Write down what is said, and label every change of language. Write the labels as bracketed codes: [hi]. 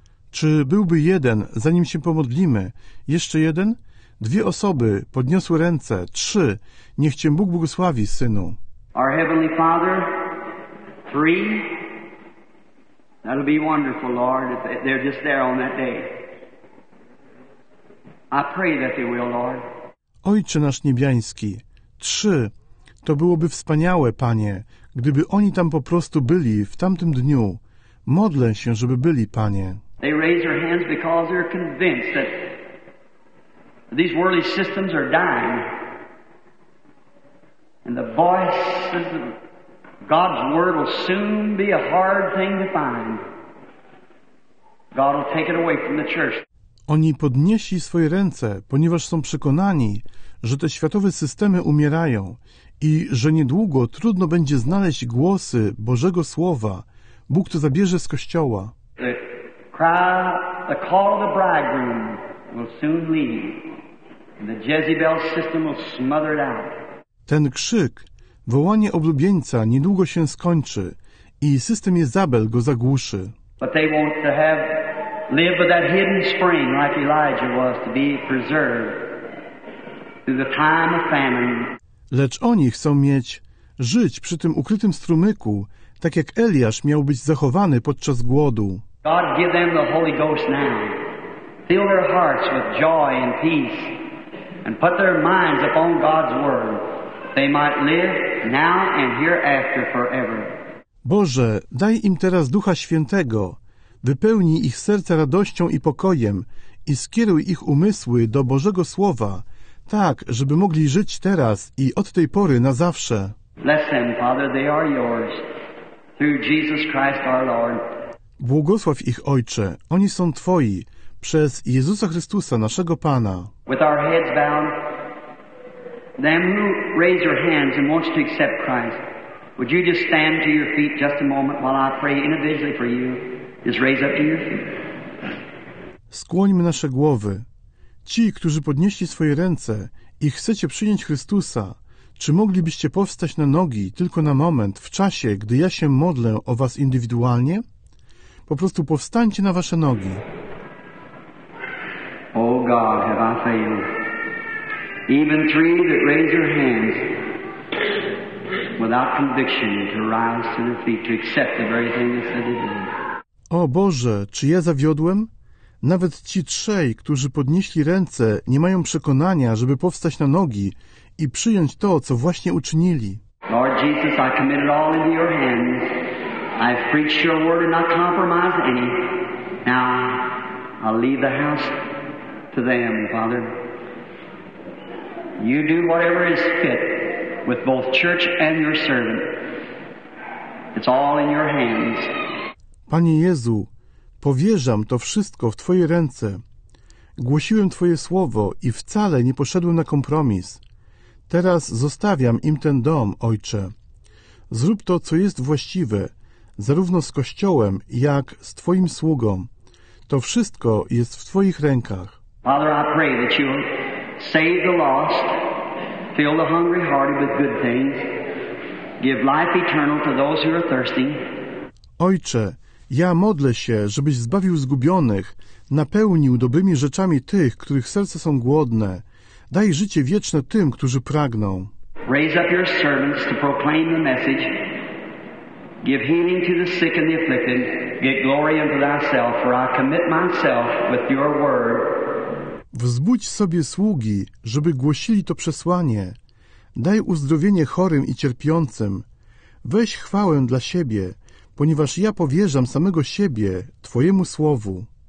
[pl] Czy byłby jeden, zanim się pomodlimy? Jeszcze jeden? Dwie osoby podniosły ręce. Trzy. Niech cię Bóg błogosławi, synu. [en] Our Heavenly Father, three. That'll be wonderful, Lord, if they're just there on that day. I pray that they will, Lord. [pl] Ojcze nasz niebiański. 3. To byłoby wspaniałe, Panie, gdyby oni tam po prostu byli w tamtym dniu. Modlę się, żeby byli, Panie. [en] They raise their hands because they're convinced that these worldly systems are dying. And the voice of God's word will soon be a hard thing to find. God will take it away from the church. [pl] Oni podnieśli swoje ręce, ponieważ są przekonani, że te światowe systemy umierają i że niedługo trudno będzie znaleźć głosy Bożego Słowa. Bóg to zabierze z Kościoła. [en] The call of the bridegroom will soon leave, and the Jezebel system will smother it out. [pl] Ten krzyk, wołanie oblubieńca niedługo się skończy i system Jezabel go zagłuszy. [en] But they want to have live with that hidden spring like Elijah was to be preserved through the time of famine. [pl] Lecz oni chcą mieć żyć przy tym ukrytym strumyku, tak jak Eliasz miał być zachowany podczas głodu. [en] God give them the Holy Ghost now. Fill their hearts with joy and peace and put their minds upon God's word. They might live now and hereafter forever. [pl] Boże, daj im teraz Ducha Świętego. Wypełnij ich serca radością i pokojem i skieruj ich umysły do Bożego Słowa, tak, żeby mogli żyć teraz i od tej pory na zawsze. [en] Bless them, Father, they are yours, through Jesus Christ our Lord. [pl] Błogosław ich, Ojcze, oni są Twoi, przez Jezusa Chrystusa, naszego Pana. [en] With our heads bowed, them who raise your hands and wants to accept Christ, would you just stand to your feet just a moment while I pray individually for you? Just raise up to your feet. [pl] Skłońmy nasze głowy. Ci, którzy podnieśli swoje ręce i chcecie przyjąć Chrystusa, czy moglibyście powstać na nogi tylko na moment, w czasie, gdy ja się modlę o was indywidualnie? Po prostu powstańcie na wasze nogi. [en] Oh God, have I failed? Even three that raise their hands without conviction to rise to their feet to accept the very thing that said to [pl] O Boże, czy ja zawiodłem? Nawet ci trzej, którzy podnieśli ręce, nie mają przekonania, żeby powstać na nogi i przyjąć to, co właśnie uczynili. [en] Lord Jesus, I commit it all into your hands. I've preached your word and not compromised any. Now, I'll leave the house to them, Father. You do whatever is fit with both church and your servant. It's all in your hands. [pl] Panie Jezu, powierzam to wszystko w Twoje ręce. Głosiłem Twoje słowo i wcale nie poszedłem na kompromis. Teraz zostawiam im ten dom, Ojcze. Zrób to, co jest właściwe, zarówno z Kościołem, jak z Twoim sługą. To wszystko jest w Twoich rękach. [en] Father, I pray that you save the lost, fill the hungry hearted with good things, give life eternal to those who are thirsty. [pl] Ojcze, ja modlę się, żebyś zbawił zgubionych, napełnił dobrymi rzeczami tych, których serca są głodne. Daj życie wieczne tym, którzy pragną. [en] Raise up your servants to proclaim the message. Give healing to the sick and the afflicted. Get glory unto thyself, for I commit myself with your word. [pl] Wzbudź sobie sługi, żeby głosili to przesłanie. Daj uzdrowienie chorym i cierpiącym. Weź chwałę dla siebie, ponieważ ja powierzam samego siebie Twojemu Słowu.